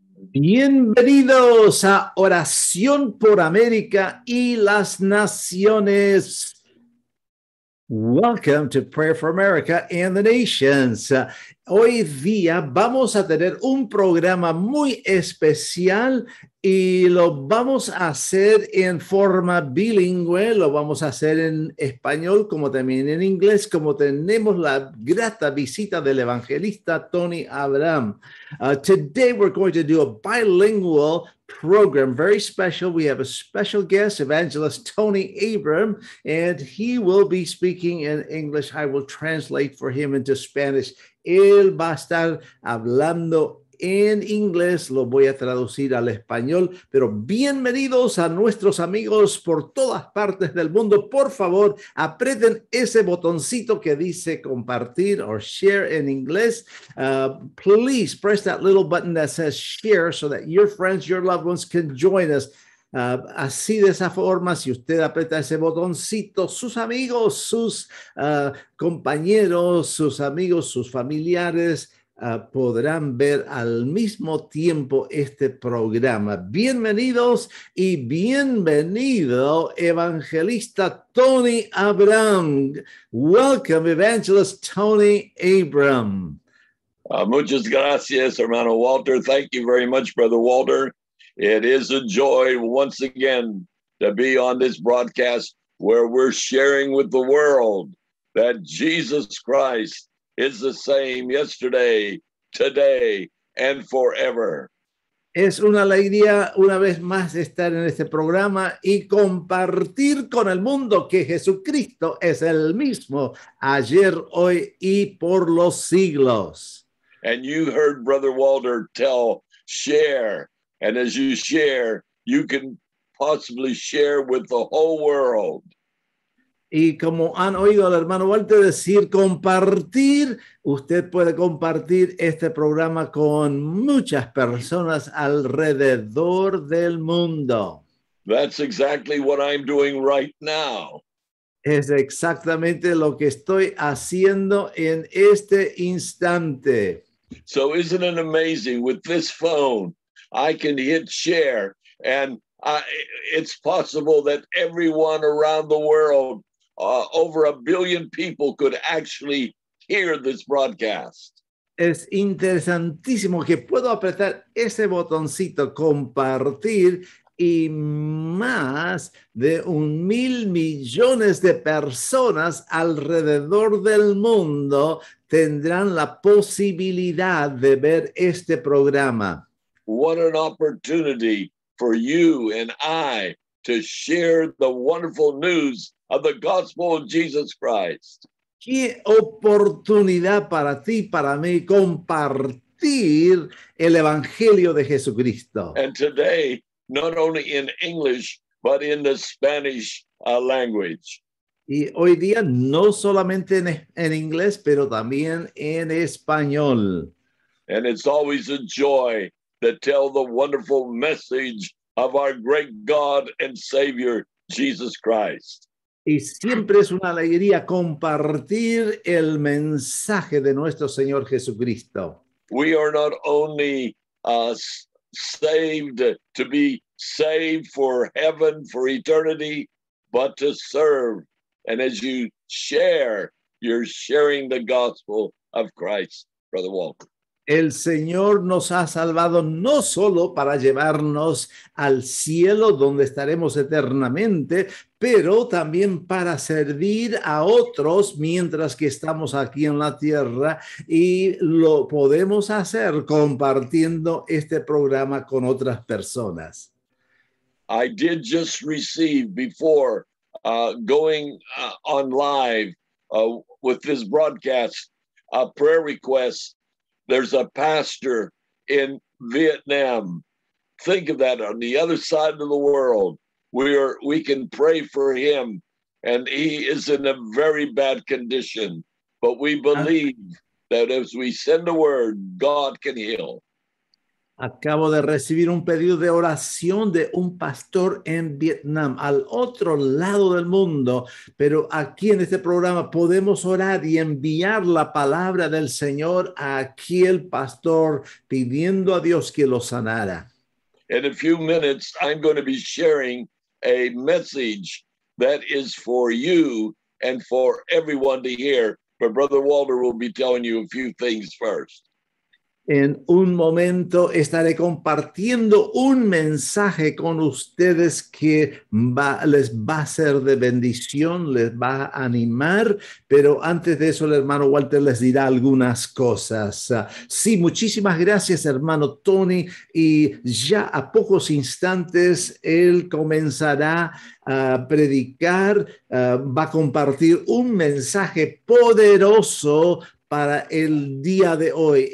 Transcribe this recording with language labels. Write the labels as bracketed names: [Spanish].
[Spanish] Bienvenidos a Oración por América y las Naciones. [English] Welcome to Prayer for America and the Nations. [Spanish] Hoy día vamos a tener un programa muy especial y lo vamos a hacer en forma bilingüe, lo vamos a hacer en español como también en inglés, como tenemos la grata visita del evangelista Tony Abraham. [English] Today we're going to do a bilingual program, very special. We have a special guest, evangelist Tony Abraham, and he will be speaking in English. I will translate for him into Spanish. [Spanish] Él va a estar hablando en inglés, lo voy a traducir al español, pero bienvenidos a nuestros amigos por todas partes del mundo. Por favor, aprieten ese botoncito que dice compartir [English] or share [Spanish] en inglés. [English] Please press that little button that says share so that your friends, your loved ones can join us. [Spanish] Así de esa forma, si usted aprieta ese botoncito, sus amigos, sus compañeros, sus amigos, sus familiares podrán ver al mismo tiempo este programa. Bienvenidos y bienvenido, evangelista Tony Abraham. [English] Welcome, evangelist Tony Abraham. [Spanish] Muchas gracias, hermano Walter. [English] Thank you very much, brother Walter. It is a joy once again to be on this broadcast where we're sharing with the world that Jesus Christ is the same yesterday, today, and forever. [Spanish] Es una alegría una vez más estar en este programa y compartir con el mundo que Jesucristo es el mismo ayer, hoy y por los siglos. [English] And you heard brother Walter tell share. And as you share, you can possibly share with the whole world. [Spanish] Y como han oído al hermano Walter decir, compartir, usted puede compartir este programa con muchas personas alrededor del mundo. [English] That's exactly what I'm doing right now. [Spanish] Es exactamente lo que estoy haciendo en este instante. [English] So isn't it amazing with this phone? I can hit share, and it's possible that everyone around the world, over a billion people, could actually hear this broadcast. [Spanish] Es interesantísimo que puedo apretar ese botoncito, compartir, y más de 1,000,000,000 de personas alrededor del mundo tendrán la posibilidad de ver este programa. [English] What an opportunity for you and I to share the wonderful news of the gospel of Jesus Christ. [Spanish] Qué oportunidad para ti, para mí, compartir el evangelio de Jesucristo. [English] And today, not only in English, but in the Spanish language. [Spanish] Y hoy día, no solamente en inglés, pero también en español. [English] And it's always a joy to tell the wonderful message of our great God and Savior, Jesus Christ. [Spanish] Y siempre es una alegría compartir el mensaje de nuestro Señor Jesucristo. [English] We are not only saved to be saved for heaven, for eternity, but to serve. And as you share, you're sharing the gospel of Christ, Brother Walker. [Spanish] El Señor nos ha salvado no solo para llevarnos al cielo donde estaremos eternamente, pero también para servir a otros mientras que estamos aquí en la tierra, y lo podemos hacer compartiendo este programa con otras personas. [English] I did just receive before going on live with this broadcast a prayer request. There's a pastor in Vietnam. Think of that, on the other side of the world. We can pray for him, and he is in a very bad condition. But we believe that as we send a word, God can heal. [Spanish] Acabo de recibir un pedido de oración de un pastor en Vietnam, al otro lado del mundo, pero aquí en este programa podemos orar y enviar la palabra del Señor a aquel pastor pidiendo a Dios que lo sanara. [English] In a few minutes, I'm going to be sharing a message that is for you and for everyone to hear. But Brother Walter will be telling you a few things first. [Spanish] En un momento estaré compartiendo un mensaje con ustedes que les va a ser de bendición, les va a animar, pero antes de eso el hermano Walter les dirá algunas cosas. Sí, muchísimas gracias hermano Tony, y ya a pocos instantes él comenzará a predicar, va a compartir un mensaje poderoso para el día de hoy.